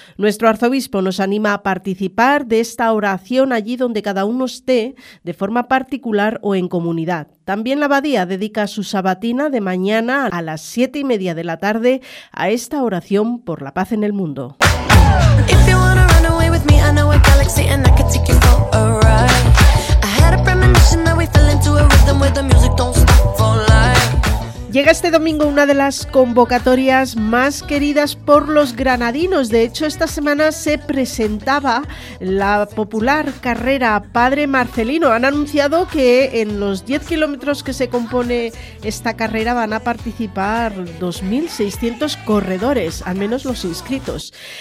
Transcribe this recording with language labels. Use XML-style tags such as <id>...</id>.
<es>Nuestro arzobispo nos anima a participar de esta oración allí donde cada uno esté, de forma particular o en comunidad. También la abadía dedica su sabatina de mañana a las 7 y media de la tarde a esta oración por la paz en el mundo.</es> <en>If you wanna run away with me, I know a galaxy and I can take you for a ride. I had a premonition that we fell into a rhythm where the music don't stop for life.</en> <es>Llega este domingo una de las convocatorias más queridas por los granadinos. De hecho, esta semana se presentaba la popular carrera Padre Marcelino. Han anunciado que en los 10 kilómetros que se compone esta carrera van a participar 2.600 corredores, al menos los inscritos.</es>